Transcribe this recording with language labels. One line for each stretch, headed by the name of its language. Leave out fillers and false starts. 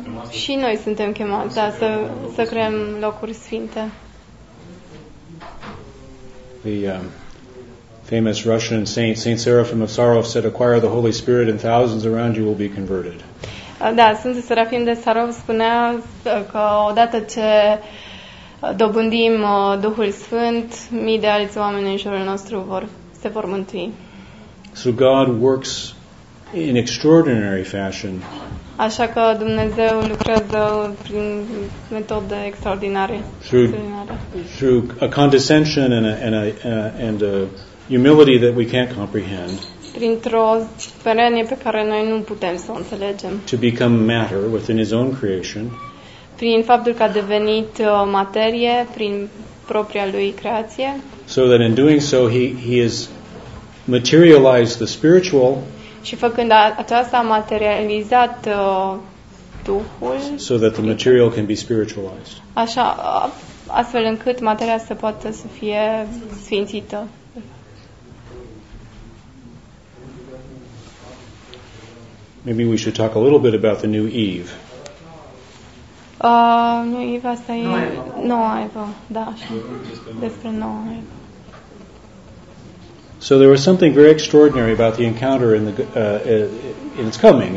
Romanian: Și noi suntem chemați să creăm locuri sfinte.
English: The famous Russian saint, Saint Seraphim of Sarov, said, "Acquire the Holy Spirit, and thousands around you will be converted."
Romanian: Da, Sfântul Serafim de Sarov spunea că odată ce dobândim Duhul Sfânt, mii de alți oameni în jurul nostru se vor mântui.
English: So God works in extraordinary fashion.
Romanian: Așa că Dumnezeu lucrează prin metode extraordinare.
English: Through a condescension and a humility that we can't comprehend.
Romanian: Printr-o sperenie pe care noi nu putem să o înțelegem.
English: To become matter within his own creation.
Romanian: Prin faptul că a devenit materie prin propria lui creație.
English: So that in doing so he has materialized the spiritual.
Romanian: Și făcând aceasta a materializat Duhul.
English: So that the material can be spiritualized.
Romanian: Așa, astfel încât materia să poată să fie sfințită.
English: Maybe we should talk a little bit about the new Eve. New Eve,
Romanian: asta e noua Evă. Da, așa. Despre noua Evă.
English: So there was something very extraordinary about the encounter in the in its coming.